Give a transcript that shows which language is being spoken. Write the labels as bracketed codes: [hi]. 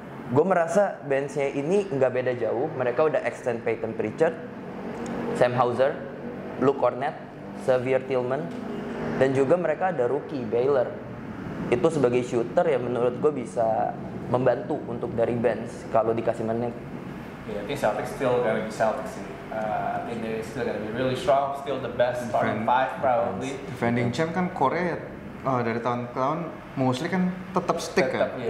[id] gue merasa bandsnya ini nggak beda jauh. Mereka udah extend Peyton Pritchard, Sam Hauser, Luke Kornet, Xavier Tillman, dan juga mereka ada rookie Baylor. Itu sebagai shooter ya menurut gue bisa membantu untuk dari bands kalau dikasih menit. [en] Yeah, I think Celtics still gonna be Celtics. I think they're still gonna be really strong, still the best starting five probably. [id] Defending champ kan Korea. Oh, dari tahun ke tahun mostly kan tetap stick kan.